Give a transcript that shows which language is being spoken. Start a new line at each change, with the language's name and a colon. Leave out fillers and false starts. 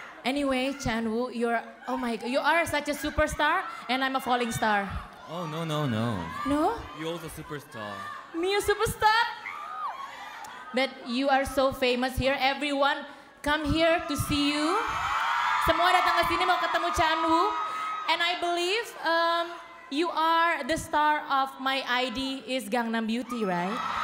English: Anyway, Chan Wu, you're, oh my God, you are such a superstar and I'm a falling star. Oh, no, no, no. No? You're also a superstar. Me a superstar? But you are so famous here, everyone come here to see you.
Indonesian: Semua datang ke sini mau ketemu Chan Wu.
English: And I believe you are the star of my ID is Gangnam Beauty, right?